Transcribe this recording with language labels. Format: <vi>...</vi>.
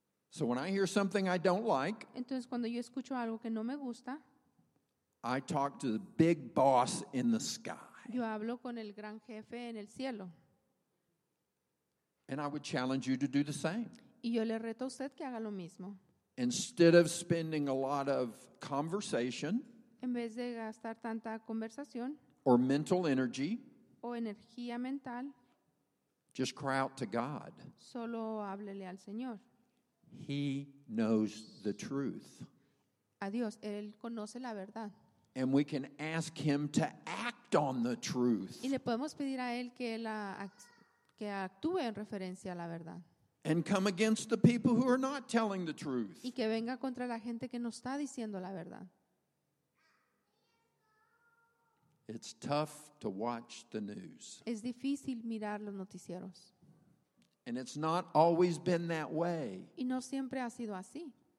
<en>So when I hear something I don't like,</en> <es>entonces cuando yo escucho algo que no me gusta,</es> <en>I talk to the big boss in the sky.</en> <es>Yo hablo con el gran jefe en el cielo.</es> <en>And I would challenge you to do the same.</en> <es>Y yo le reto a usted que haga lo mismo.</es> <en>Instead of spending a lot of conversation,</en> <es>en vez de gastar tanta conversación,</es> <en>or mental energy,</en> <es>o energía mental,</es> <en>just cry out to God.</en> <es>Solo háblele al Señor.</es> <en>He knows the truth.</en> <es>A Dios, él conoce la verdad.</es> <en>And we can ask him to act on the truth.</en> <es>Y le podemos pedir a él que la que actúe en referencia a la verdad.</es> <en>And come against the people who are not telling the truth.</en> <es>Y que venga contra la gente que no está diciendo la verdad.</es> <en>It's tough to watch the news.</en> <es>Es difícil mirar los noticieros.</es> <en>And it's not always been that way.</en> <es>Y no siempre ha sido así.</es>